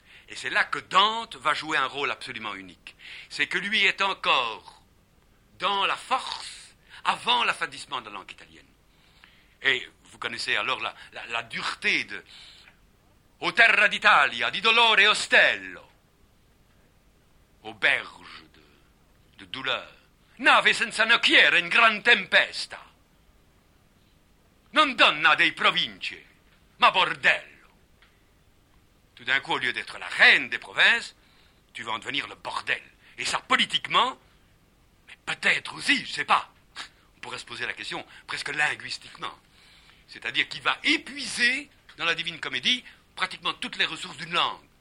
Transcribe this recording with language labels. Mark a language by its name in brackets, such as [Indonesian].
[French] Et c'est là que Dante va jouer un rôle absolument unique. C'est que lui est encore dans la force avant l'affadissement de la langue italienne. Et vous connaissez alors la dureté de « [Italian] O terra d'Italia, di dolore ostello [French] », auberge de douleur. [Italian] Nave senza nocchiere in gran tempesta. Non donna dei province, ma bordello. [French] Tout d'un coup, au lieu d'être la reine des provinces, tu vas en devenir le bordel. Et ça, politiquement, mais peut-être aussi, je ne sais pas, on pourrait se poser la question presque linguistiquement. C'est-à-dire qu'il va épuiser, dans la Divine Comédie, pratiquement toutes les ressources d'une langue.